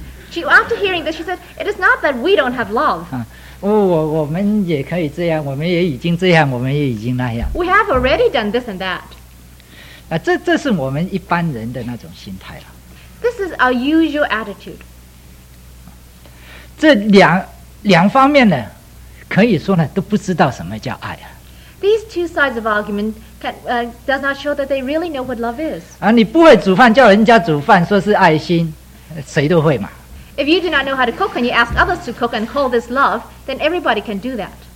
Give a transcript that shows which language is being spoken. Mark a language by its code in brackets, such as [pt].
[en] After hearing this, she said, "It is not that we don't have love." [zh] 我们也可以这样，我们也已经这样，我们也已经那样。 [en] We have already done this and that. [zh] 这是我们一般人的那种心态了。 [en] This is our usual attitude. [zh] 这两方面呢，可以说呢，都不知道什么叫爱啊。 [en] These two sides of argument does not show that they really know what love is. [zh] 啊，你不会煮饭，叫人家煮饭，说是爱心，谁都会嘛。 [en] If you do not know how to cook and you ask others to cook and call this love, then everybody can do that.